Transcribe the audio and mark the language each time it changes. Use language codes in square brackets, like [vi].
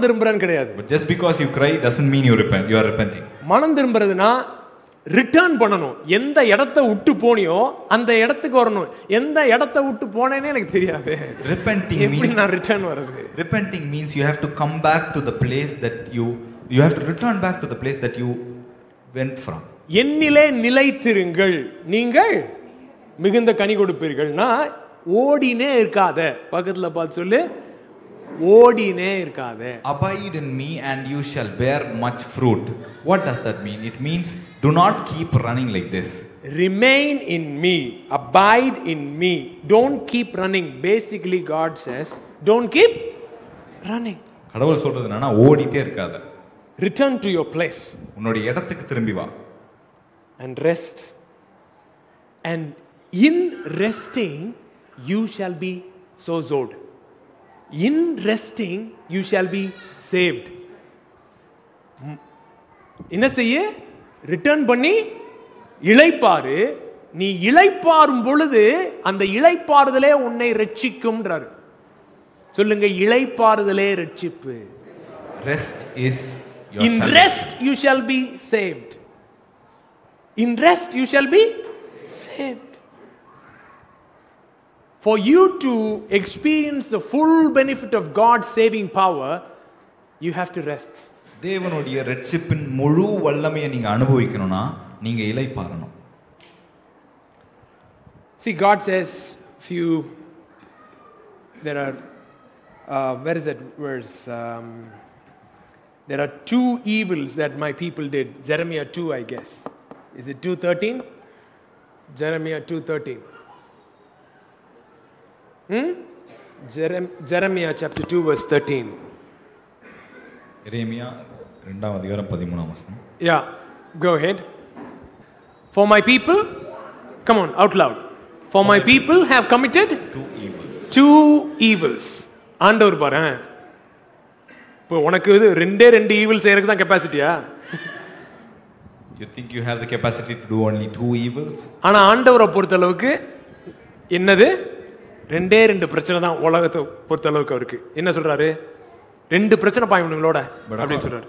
[en] You might cry when you repent, but just because you cry doesn't mean you are repenting. [ta] மனம் திரும்பறதுனா return பண்ணணும். எந்த இடத்தை விட்டு போனியோ அந்த இடத்துக்கு வரணும். எந்த இடத்தை விட்டு போனேன்னே எனக்கு தெரியாது. [en] Repenting [ta] means எப்படி நான் ரிட்டர்ன் வரது? [en] Repenting means you have to come back to the place that you have to return back to the place that you went from. [ta] என்னிலே நிலைத்திருங்கள், நீங்கள் மிகுந்த கனி கொடுப்பீர்கள்னா ஓடினே இருக்காத. பக்கத்துல பார்த்து சொல்லு, ஓடினே இருக்காத. [en] Abide in me and you shall bear much fruit. What does that mean? It means do not keep running like this. Remain in me, abide in me, don't keep running. Basically God says don't keep running. [ta] கடவுள் சொல்றது என்னன்னா ஓடிட்டே இருக்காத. [en] Return to your place. [ta] உன்னோட இடத்துக்கு திரும்பி வா. [en] And rest. And in resting you shall be sozoed. In resting you shall be saved. [ta] என்ன செய்ய? ரிட்டர்ன் பண்ணி இளைப்பாரு. நீ இளைப்பாரும் பொழுது அந்த இளைப்பாறுதலே உன்னை ரட்சிக்கும். சொல்லுங்க, இளைப்பாறுதலே ரட்சிப்பு. [en] Rest is your in salvation. Rest you shall be saved. In rest you shall be saved. For you to experience the full benefit of God's saving power, you have to rest. [ta] தேவனுடைய ரட்சிப்பின் முழு வல்லமையை நீங்க அனுபவிக்கணும்னா நீங்க இளைப்பாறணும். [en] See, God says few, there are where is that verse, there are two evils that my people did. Jeremiah 2, I guess. Is it 2:13? Jeremiah 2:13. Jeremiah chapter 2 verse 13. Jeremiah 2:13. Yeah, go ahead. For my people, come on, out loud. For my people have committed two evils. [ta] ஆண்டவர் பாரு, இப்போ உனக்கு இது ரெண்டே ரெண்டு evils செய்யறதுக்கு தான் கெப்பாசிட்டியா? [en] You think you have the capacity to do only two evils? [ta] ஆனா ஆண்டவரை பொறுத்த அளவுக்கு என்னது? ரெண்டே ரெண்டு பிரச்சனை தான் உலகத்தை பொறுத்த அளவுக்கு அவருக்கு. என்ன சொல்றாரு? ரெண்டு பிரச்சனை பாயும்ங்களோட அப்படி சொல்றாரு.